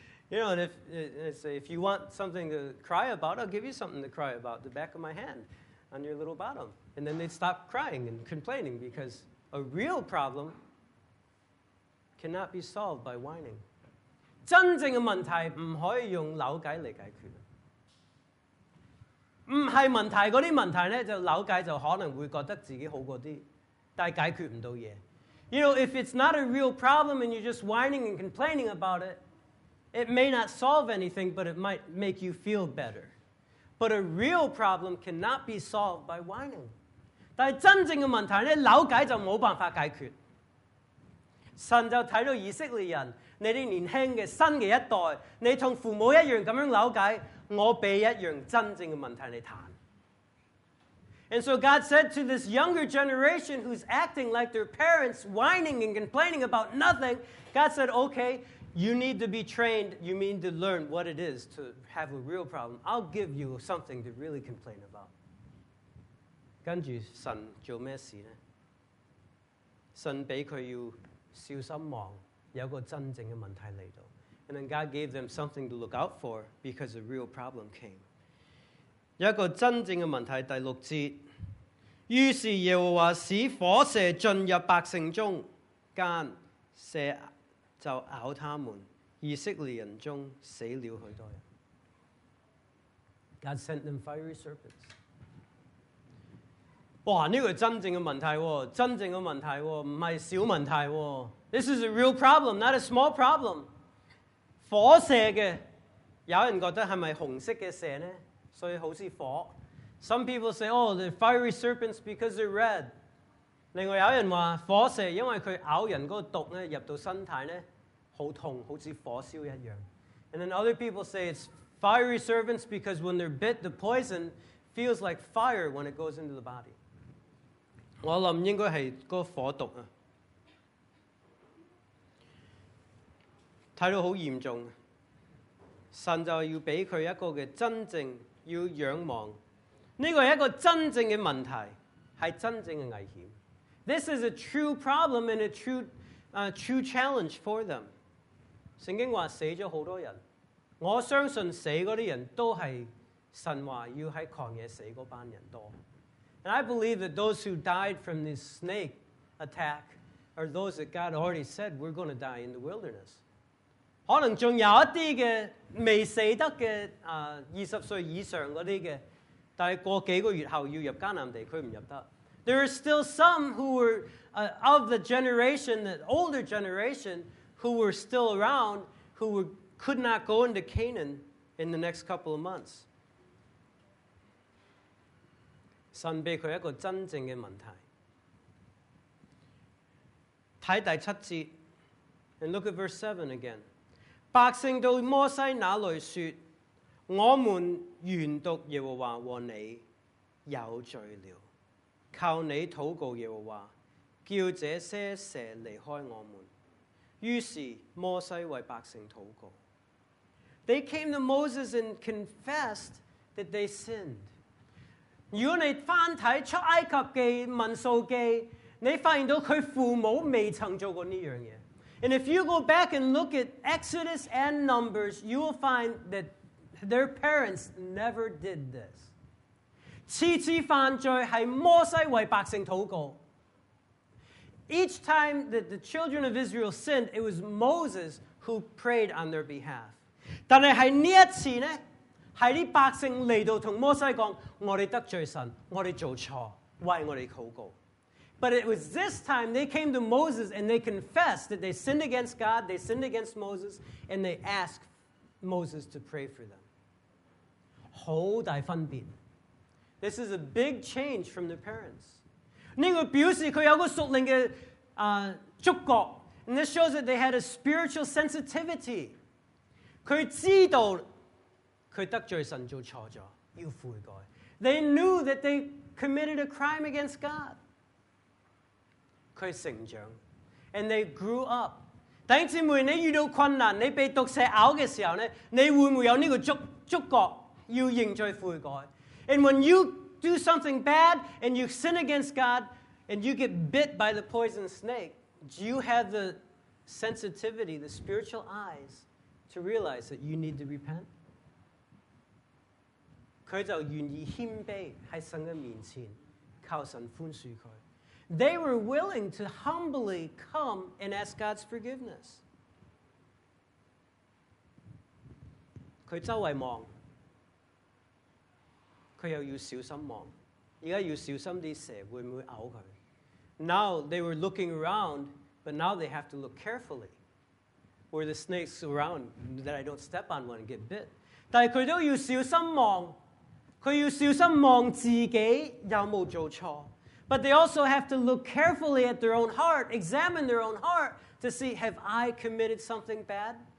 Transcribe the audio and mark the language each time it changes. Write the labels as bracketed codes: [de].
[en] You know, and if say, if you want something to cry about, I'll give you something to cry about, the back of my hand on your little bottom. And then they'd stop crying and complaining because a real problem cannot be solved by whining. [yue] 真正的问题不可以用扭计来解决。不是问题，那些问题呢，就扭计就可能会觉得自己好过一点，但解决不到东西。 [en] You know, if it's not a real problem and you're just whining and complaining about it,It may not solve anything, but it might make you feel better. But a real problem cannot be solved by whining. [yue] 但真正的问题呢，扭计就冇办法解决。神就睇到以色列人，你哋年轻嘅新嘅一代，你同父母一样咁样扭计，我俾一样真正嘅问题你谈。 [en] And so God said to this younger generation who's acting like their parents, whining and complaining about nothing, God said, okay. You need to be trained, you mean to learn what it is to have a real problem. I'll give you something to really complain about. [yue] 跟住神做咩事呢？神俾佢要小心望，有个真正嘅问题嚟到。 [en] And then God gave them something to look out for because a real problem came. [yue] 有个真正嘅问题，第六节。于是耶和华使火蛇进入百姓中间，蛇就咬他们，以色列人中死了许多人。 [en] God sent them fiery serpents. [yue] 哇，呢个真正嘅问题，真正嘅问题，唔系小问题。 [en] This is a real problem, not a small problem. [yue] 火蛇嘅，有人觉得系咪红色嘅蛇呢？所以好似火。 [en] Some people say, oh, the fiery serpents because they're red. [yue] 另外有人话火蛇，因为佢咬人嗰个毒咧入到身体咧。好痛，好似火燒一樣。 [en] And then other people say it's fiery serpents because when they're bit, the poison feels like fire when it goes into the body. [yue] 我諗應該係個火毒啊，睇到好嚴重。神就要俾佢一個嘅真正要仰望，呢個係一個真正嘅問題，係真正嘅危險。 [en] This is a true problem and a true challenge for them. [yue] 聖經話死咗好多人，我相信死嗰啲人都係神話要喺狂野死嗰班人多。 [en] And I believe that those who died from this snake attack are those that God already said we're going to die in the wilderness. [yue] 可能仲有一啲嘅未死得嘅二十歲以上嗰啲嘅，但係過幾個月後要入迦南地，佢唔入得。 [en] There are still some who were of the generation, the older generation. Who were still around, who were, could not go into Canaan in the next couple of months. [yue] 神俾佢一个真正嘅问题。睇第七节 [en] ，and look at verse 7 again. [yue] 百姓到摩西那里说：我们原独耶和华和你有罪了，求你祷告耶和华，叫这些蛇离开我们。於是摩西為百姓禱告。 [en] They came to Moses and confessed that they sinned. [yue] 如果你翻睇出埃及記、民數記，你發現到佢父母未曾做過呢樣嘢。 [en] And if you go back and look at Exodus and Numbers, you will find that their parents never did this. [yue] 次次犯罪係摩西為百姓禱告。 [en] Each time that the children of Israel sinned, it was Moses who prayed on their behalf. [yue] 但是在这一次呢，是这百姓来到跟摩西说，我们得罪神，我们做错，为我们祷告。 [en] But it was this time they came to Moses and they confessed that they sinned against God, they sinned against Moses, and they asked Moses to pray for them. [yue] 好大分别。 [en] This is a big change from their parents. [yue] 呢个表示佢有个属灵嘅触觉。 [en] And this shows that they had a spiritual sensitivity. [yue] 佢知道佢得罪神做错咗，要悔改。 [en] They knew that they committed a crime against God. [yue] 佢成长 [en] ，and they grew up. [yue] 弟兄姊妹，你遇到困难，你被毒蛇咬嘅时候咧，你会唔会有呢个触觉要认罪悔改 ？ [en] And when you do something bad and you sin against God and you get bit by the poison snake, do you have the sensitivity, the spiritual eyes, to realize that you need to repent? [yue] 佢就愿意谦卑喺神嘅面前，靠神宽恕佢。 [en] They were willing to humbly come and ask God's forgiveness. [yue] 佢周围望，佢又要小心望，而家要小心啲蛇会唔会咬佢。 [en] Now they were looking around, but now they have to look carefully. Where the snakes around, that I don't step on one and get bit. [yue] 但系佢都要小心望，佢要小心望自己有冇做错。 [en] But they also have to look carefully at their own heart, examine their own heart to see, have I committed something bad?